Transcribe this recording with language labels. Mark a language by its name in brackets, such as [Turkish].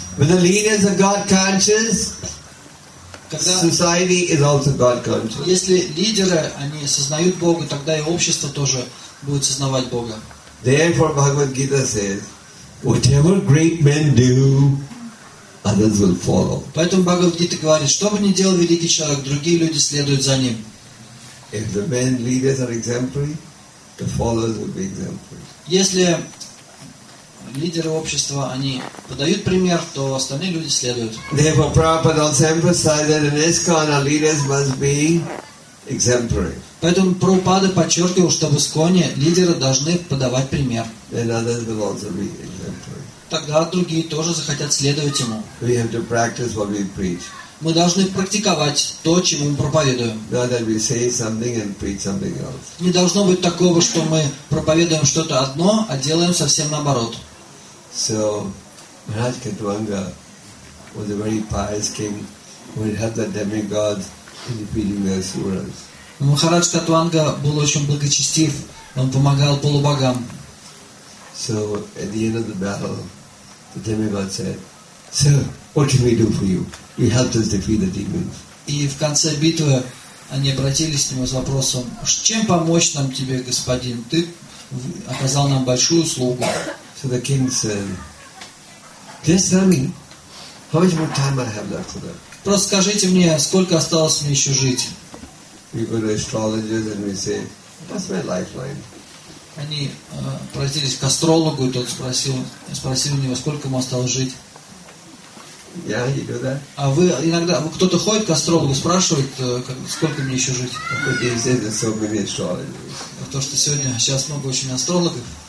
[English] When the leaders are God conscious, society is also God conscious. [Russian] Если лидеры, они осознают Бога, тогда и общество тоже будет осознавать Бога. [English] Therefore, Bhagavad Gita says, whatever great men do, others will follow. [Russian] Поэтому Бхагавад-гита говорит, что бы ни делал великий человек, другие люди следуют за ним. [English] If the men leaders are exemplary, the followers will be exemplary. [Russian] Если лидеры общества, они подают пример, то остальные люди следуют. [English] Therefore, Prabhupada also emphasized that in ISKCON our leaders must be exemplary. [Russian] Поэтому Прабхупада подчеркивал, что в Исконе лидеры должны подавать пример. [English] Then others will also be exemplary. [Russian] Тогда другие тоже захотят следовать ему. [English] We have to practice what we preach. [Russian] Мы должны практиковать то, чему мы проповедуем. [English] Not that we say something and preach something else. [Russian] Не должно быть такого, что мы проповедуем что-то одно, а делаем совсем наоборот. [English] So, Maharaj Ketuvanga was a very pious king who helped the demigods in defeating the asuras. [Russian] Махарадж Катванга был очень благочестив, он помогал полубогам. [English] So, at the end of the battle, the demigod said, "Sir, what can we do for you? You helped us defeat the demons." [Russian] И в конце битвы они обратились к нему с вопросом, чем помочь нам тебе, господин? Ты оказал нам большую услугу. [English] So the king said, "Just tell me, how much more time I have left for that?" [Russian] Просто скажите мне, сколько осталось мне еще жить? [English] We go to astrologers and we say, "That's my lifeline." [Russian] Они обратились к астрологу, и тот спросил у него, сколько ему осталось жить. [English] Yeah, you do that. [Russian] А вы иногда, кто-то ходит к астрологу, спрашивает, сколько мне еще жить? [English] Okay, there's so many astrologers. [Russian] То, что сегодня сейчас много очень астрологов.